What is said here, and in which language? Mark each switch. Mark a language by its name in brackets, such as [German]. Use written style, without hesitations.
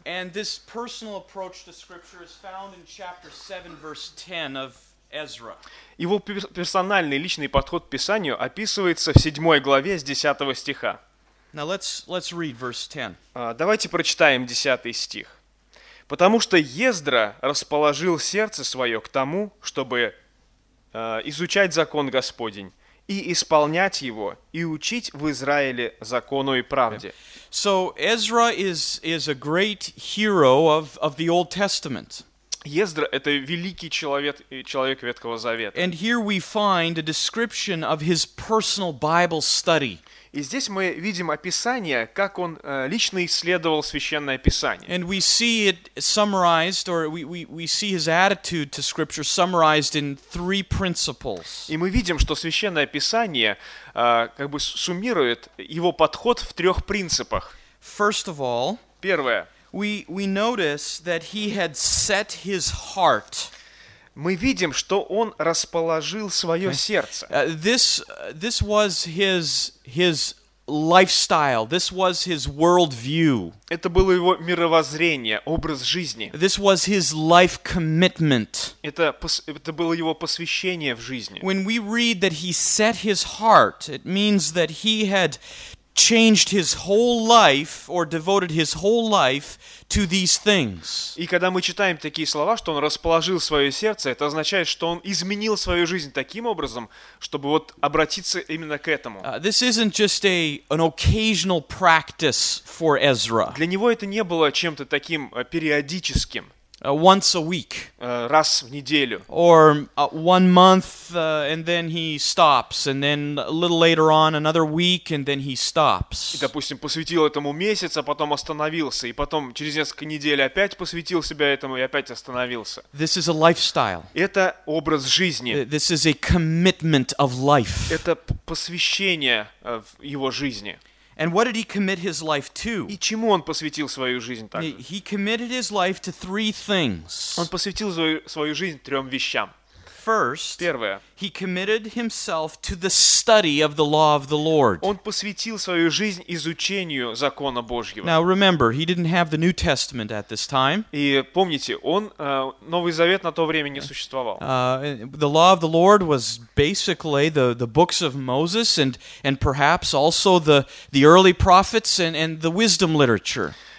[English] And this personal approach to Scripture is found in chapter 7, verse 10 of Ezra. [Russian] Его персональный личный подход к Писанию описывается в 7 главе с 10 стиха. [English] Now let's read verse 10. [Russian] Давайте прочитаем 10 стих. «Потому что Ездра расположил сердце свое к тому, чтобы изучать закон Господень и исполнять его, и учить в Израиле закону и правде». [English] So Ezra is a great hero of the Old Testament. [Russian] Ездра — это великий человек Ветхого Завета. [English] And here we find a description of his personal Bible study. [Russian] И здесь мы видим описание, как он лично исследовал Священное Писание. [English] And we see it summarized, or we see his attitude to Scripture summarized in three principles. [Russian] И мы видим, что Священное Писание как бы суммирует его подход в трех принципах. [English] First of all, [Russian] первое, [English] we notice that he had set his heart. [Russian] Мы видим, что он расположил свое сердце. [English] This was his lifestyle. This was his worldview. [Russian] Это было его мировоззрение, образ жизни. [English] This was his life commitment. [Russian] Это было его посвящение в жизни. [English] When we read that he set his heart, it means that he had changed his whole life or devoted his whole life to these things. [Russian] И когда мы читаем такие слова, что он расположил свое сердце, это означает, что он изменил свою жизнь таким образом, чтобы вот обратиться именно к этому. [English] This isn't just an occasional practice for Ezra. [Russian] Для него это не было чем-то таким периодическим. [English] Once a week. [Russian] Раз в неделю. [English] Or one month, and then he stops. And then a little later on, another week, and then he stops. [Russian] И, допустим, посвятил этому месяц, а потом остановился. И потом через несколько недель опять посвятил себя этому и опять остановился. [English] This is a lifestyle. [Russian] Это образ жизни. [English] This is a commitment of life. [Russian] Это посвящение в его жизни. [English] And what did he commit his life to? [Russian] И чему он посвятил свою жизнь также? [English] He committed his life to three things. [Russian] Он посвятил свою жизнь трем вещам. [English] First, [Russian] первое, [English] he committed himself to the study of the law of the Lord. [Russian] Он посвятил свою жизнь изучению закона Божьего. [English] Now remember, he didn't have the New Testament at this time. [Russian] И помните, он Новый Завет на то время не существовал. [English] The law of the Lord was basically the books of Moses and perhaps also the early prophets and the wisdom literature.